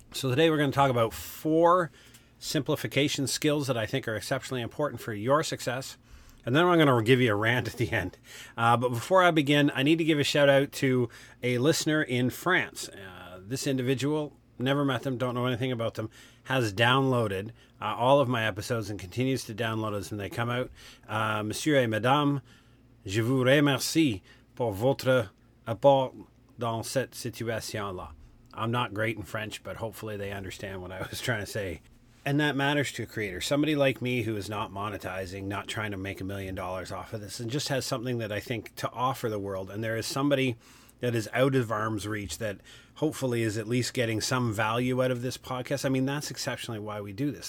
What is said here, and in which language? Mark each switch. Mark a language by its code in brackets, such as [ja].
[en] So today we're going to talk about four simplification skills that I think are exceptionally important for your success. And then I'm going to give you a rant at the end. But before I begin, I need to give a shout out to a listener in France. This individual, never met them, don't know anything about them, has downloaded all of my episodes and continues to download as they come out. [fr] Monsieur et Madame, je vous remercie pour votre apport dans cette situation-là. [en] I'm not great in French, but hopefully they understand what I was trying to say. And that matters to a creator. Somebody like me who is not monetizing, not trying to make $1 million off of this, and just has something that I think to offer the world. And there is somebody that is out of arm's reach that hopefully is at least getting some value out of this podcast. I mean, that's exceptionally why we do this.